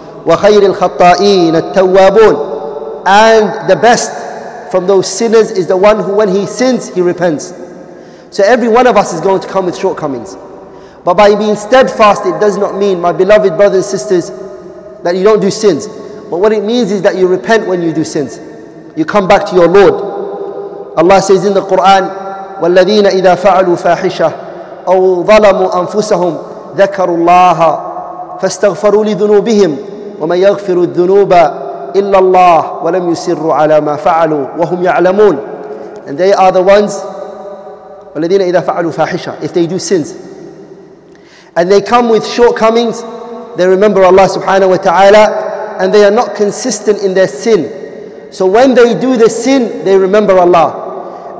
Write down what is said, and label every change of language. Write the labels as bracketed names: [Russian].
[Arabic] Wa khayril khata'een at-tawwabun. [English] And the best from those sinners is the one who, when he sins, he repents. So every one of us is going to come with shortcomings. But by being steadfast, it does not mean, my beloved brothers and sisters, that you don't do sins. But what it means is that you repent when you do sins. You come back to your Lord. Allah says in the Quran, [Arabic] وَالَّذِينَ إِذَا فَعَلُوا فَاحِشَةً أَوْ ظَلَمُوا أَنفُسَهُمْ ذَكَرُوا اللَّهَ فَاسْتَغْفَرُوا لِذُنُوبِهِمْ وَمَنْ يَغْفِرُ الذُّنُوبَ إِلَّا اللَّهُ وَلَمْ يُسِرُّوا عَلَى مَا فَعَلُوا وَهُمْ يَعْلَمُونَ. [English] And they are the ones, [Arabic] وَالَّذِينَ إِذَا فَعَلُوا فَاحِشَةً, [English] if they do sins. And they come with shortcomings, they remember Allah subhanahu wa ta'ala, and they are not consistent in their sin. So when they do the sin, they remember Allah.